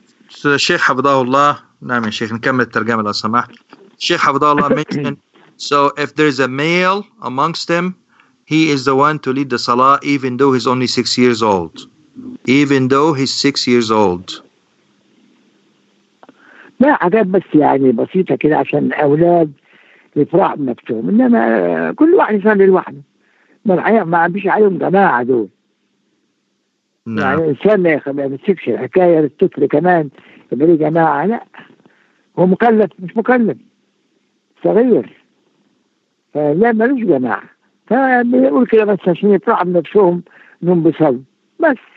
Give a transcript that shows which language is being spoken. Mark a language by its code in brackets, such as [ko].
[en] So the Sheikh Hafidhahullah, [ar] نعم يا شيخ نكمل الترجمة لو سمحت. [en] Sheikh Hafidhahullah mentioned, so if there's a male amongst them, he is the one to lead the Salah even though he's only 6 years old. Even though he's 6 years old. [ar] لا عجب بس يعني بسيطة كده عشان أولاد يفرح بنفسهم. إنما كل واحد يصلي لوحده. ما بيش عليهم جماعة دول. يعني الإنسان يا أخي ما يمسكش الحكاية للتتر كمان يبقى جماعة، لا هو مكلف مش مكلف صغير فلا ملوش جماعة، فبيقول كده بس عشان يطلعوا من نفسهم انهم بيصلوا بس.